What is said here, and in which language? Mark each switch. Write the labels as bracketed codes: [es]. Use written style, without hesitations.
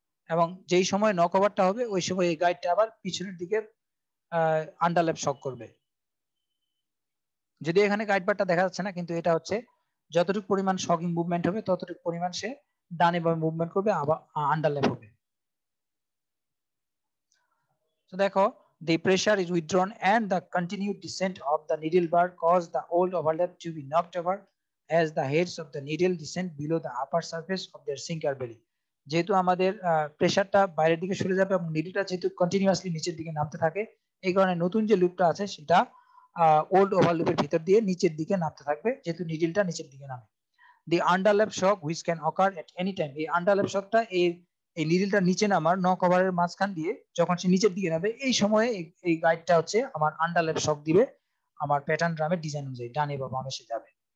[bn] এবং যেই সময় নক ওভারটা হবে ওই সময় এই গাইডটা আবার পিছনের দিকে আন্ডারল্যাপ শক করবে। যদি এখানে গাইড বারটা দেখা যাচ্ছে না, কিন্তু এটা হচ্ছে যতটুকু পরিমাণ শকিং মুভমেন্ট হবে ততটুকু পরিমাণ সে ডানে বামে মুভমেন্ট করবে, আবার আন্ডারল্যাপ হবে। তো দেখো, [en] the pressure is withdrawn and the continued descent of the needle bar cause the old overlap to be knocked over as the heads of the needle descend below the upper surface of their sinker belly. [bn] যেহেতু আমাদের pressure টা বাইরের দিকে সরে যাবে এবং নিডিলটা যেহেতু continuously নিচের দিকে নামতে থাকে, এই কারণে নতুন যে লুপটা আছে সেটা ওল্ড ওভার লুপের ভিতর দিয়ে নিচের দিকে নামতে থাকবে, যেহেতু নিডিলটা নিচের দিকে নামে। [en] the underlap shock which can occur at any time, [bn] এই আন্ডারল্যাপ শকটা এই এই নিডিলটা নিচে নামার নক ওভারের মাঝখান দিয়ে যখন সে নিচের দিকে নামবে, এই সময়ে এই গাইডটা হচ্ছে আমার আন্ডারল্যাপ শক দিবে আমার প্যাটার্ন ড্রামের ডিজাইন অনুযায়ী ডানে বা বামে সে যাবে।